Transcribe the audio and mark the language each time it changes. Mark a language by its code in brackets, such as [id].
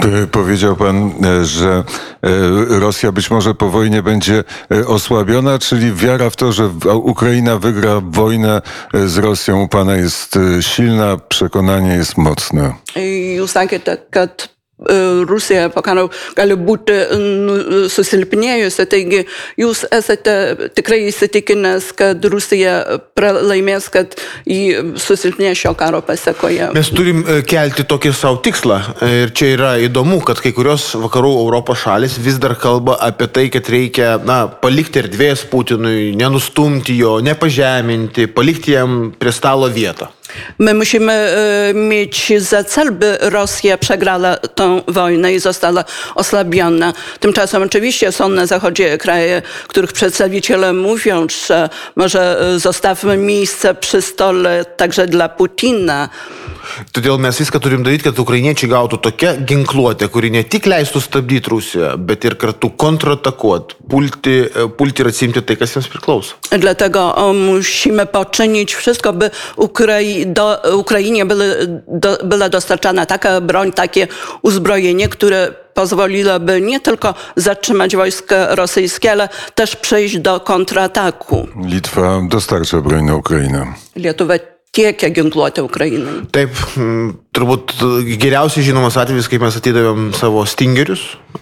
[pl] Powiedział pan, że Rosja być może po wojnie będzie osłabiona, czyli wiara w to, że Ukraina wygra wojnę z Rosją u pana jest silna, przekonanie jest mocne. [lt] Jūs sakėte, kad Rusija pokarau gali būti susilpnėjusi, taigi jūs esate tikrai įsitikinęs, kad Rusija pralaimės, kad jį susilpnė šio karo pasekoje. Mes turim kelti tokį savo tikslą ir čia yra įdomu, kad kai kurios vakarų Europos šalis vis dar kalba apie tai, kad reikia na, palikti erdvės Putinui, nenustumti jo, nepažeminti, palikti jam prie stalo vietą. [pl] My musimy mieć za cel, by Rosja przegrała tą wojnę i została osłabiona. Tymczasem oczywiście są na zachodzie kraje, których przedstawiciele mówią, że może zostawmy miejsce przy stole także dla Putina. [lt] Todėl mes viską turim daryti, kad ukrainiečiai gautų tokią ginkluotę, kuri ne tik leistų stabdyti Rusiją, bet ir kartu kontratakuot, pulti ir atsiimti tai, kas jiems priklauso. [pl] Dlatego musimy poczynić wszystko, by Ukrainie była dostarczana taka broń, takie uzbrojenie, które pozwoliłoby nie tylko zatrzymać wojska rosyjskie, ale też przejść do kontrataku. Litwa dostarcza broń na Ukrainę. [lt] Lietuva tiekia ginkluotę Ukrainą. Taip, turbūt geriausiai žinomas atvejis, kaip mes atidavėm savo stingerius.